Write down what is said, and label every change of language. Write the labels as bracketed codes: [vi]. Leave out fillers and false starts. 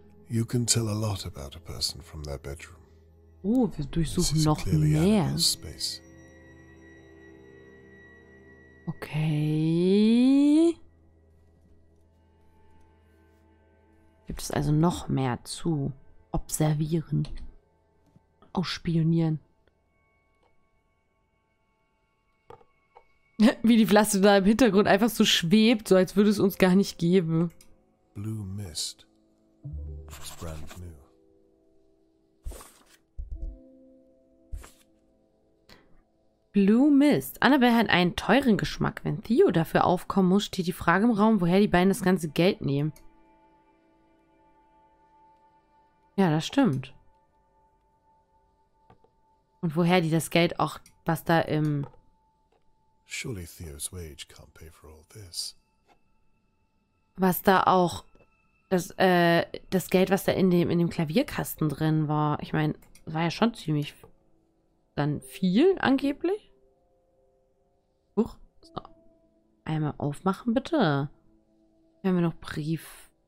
[en] You can tell a lot about a person from their bedroom. [de] Oh, wir durchsuchen noch mehr. Okay. Gibt es also noch mehr zu observieren? Ausspionieren. Wie die Pflaster da im Hintergrund einfach so schwebt, so als würde es uns gar nicht geben. [en] Blue Mist. It's brand new. Blue Mist. [de] Annabelle hat einen teuren Geschmack. Wenn Theo dafür aufkommen muss, steht die Frage im Raum, woher die beiden das ganze Geld nehmen. Ja, das stimmt. Und woher die das Geld auch, was da im... [en] Surely Theo's wage can't pay for all this. [de] Was da auch das, das Geld, was da in dem Klavierkasten drin war. Ich meine, war ja schon ziemlich dann viel angeblich. Huch. So. Einmal aufmachen, bitte. Hier haben wir noch Brief.